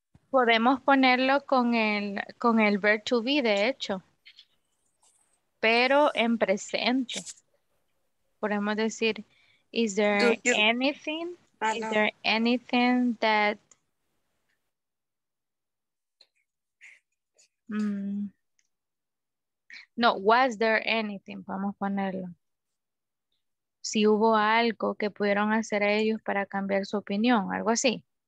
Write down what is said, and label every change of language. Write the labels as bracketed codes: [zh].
[es] Podemos ponerlo con el verb to be, de hecho, pero en presente. Podemos decir, [en] is there anything? Is there anything that no, was there anything? [es] Podemos ponerlo. Si hubo algo que pudieron hacer ellos para cambiar su opinión, algo así.